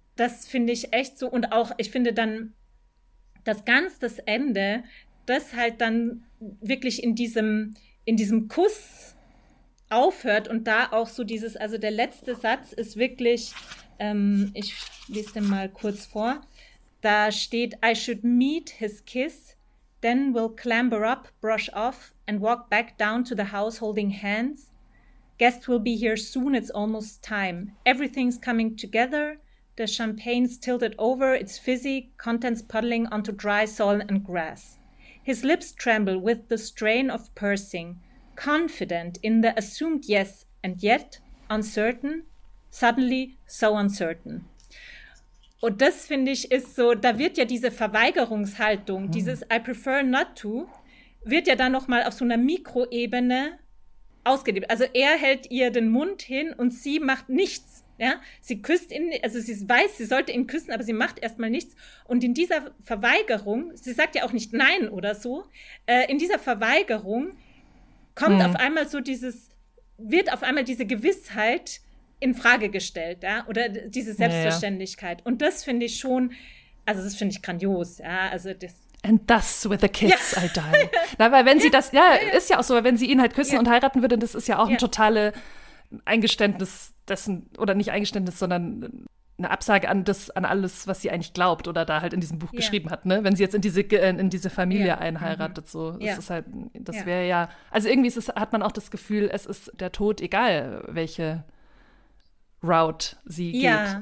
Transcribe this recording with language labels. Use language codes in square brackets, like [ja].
[de] Das finde ich echt so. Und auch, ich finde dann, dass ganz das Ende, das halt dann wirklich in diesem Kuss aufhört und da auch so dieses, also der letzte Satz ist wirklich, ich lese den mal kurz vor, da steht, [en] I should meet his kiss, then we'll clamber up, brush off and walk back down to the house holding hands. Guest will be here soon, it's almost time. Everything's coming together. The champagne's tilted over, its fizzy contents puddling onto dry soil and grass. His lips tremble with the strain of pursing, confident in the assumed yes and yet uncertain, suddenly so uncertain. [de] Und das, finde ich, ist so, da wird ja diese Verweigerungshaltung, dieses [en] I prefer not to, [de] wird ja dann nochmal auf so einer Mikroebene ausgelebt. Also er hält ihr den Mund hin und sie macht nichts. Ja, sie küsst ihn, also sie weiß, sie sollte ihn küssen, aber sie macht erstmal nichts. Und in dieser Verweigerung, sie sagt ja auch nicht nein oder so, in dieser Verweigerung kommt auf einmal so dieses, wird auf einmal diese Gewissheit in Frage gestellt, ja, oder diese Selbstverständlichkeit. Ja, ja. Und das finde ich schon, also das finde ich grandios, ja, also das. [en] And thus with a kiss I die. [de] Na, weil wenn sie das, ist ja auch so, weil wenn sie ihn halt küssen und heiraten würde, das ist ja auch ein totale Eingeständnis dessen, oder nicht Eingeständnis, sondern eine Absage an das, an alles, was sie eigentlich glaubt oder da halt in diesem Buch geschrieben hat, ne? Wenn sie jetzt in diese Familie einheiratet, so. Das ist halt, das wäre ja, also irgendwie hat man auch das Gefühl, es ist der Tod, egal welche Route sie geht.